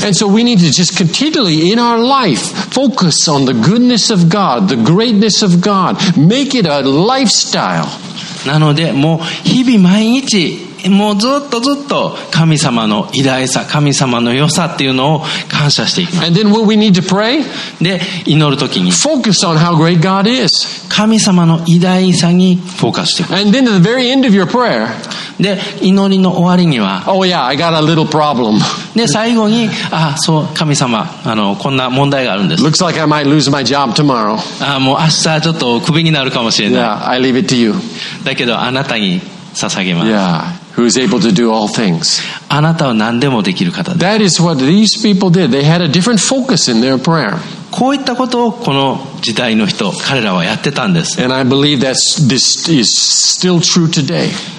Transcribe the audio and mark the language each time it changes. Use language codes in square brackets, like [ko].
[en] Yeah, and so we need to just continually in our life focus on the goodness of God, the greatness of God. Make it a lifestyle. [ja] なので、もう日々毎日 もうずっとずっと神様の偉大さ、神様の良さっていうのを感謝していきます。 [en] And then what we need to pray? [ja] で、祈るときに [en] Focus on how great God is. [ja] 神様の偉大さにフォーカスしていく。 [en] And then at the very end of your prayer, [ja] で、祈りの終わりには [en] Oh yeah, I got a little problem. [ja] で、最後に あ、そう、神様、こんな問題があるんです。 [en] Looks like I might lose my job tomorrow. [ja] あ、もう明日ちょっとクビになるかもしれない。 [en] Yeah, I leave it to you. [ja] だけどあなたに捧げます。 [en] Yeah. Who is able to do all things. [ja] あなたは何でもできる方です。 [en] That is what these people did. They had a different focus in their prayer. [ja] こういったことをこの時代の人、彼らはやってたんです。 [en] And I believe that this is still true today.